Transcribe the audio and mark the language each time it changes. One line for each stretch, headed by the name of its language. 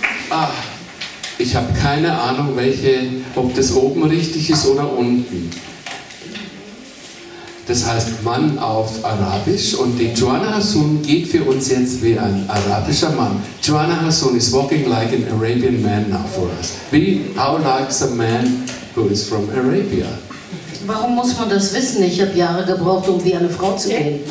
German: Ah, ich habe keine Ahnung, ob das oben richtig ist oder unten. Das heißt Mann auf Arabisch und die Joanna Hassoun geht für uns jetzt wie ein arabischer Mann.
English: Joanna Hassoun is walking like an Arabian man now for us. How like a man who is from Arabia?
German: Warum muss man das wissen? Ich habe Jahre gebraucht, um wie eine Frau zu gehen.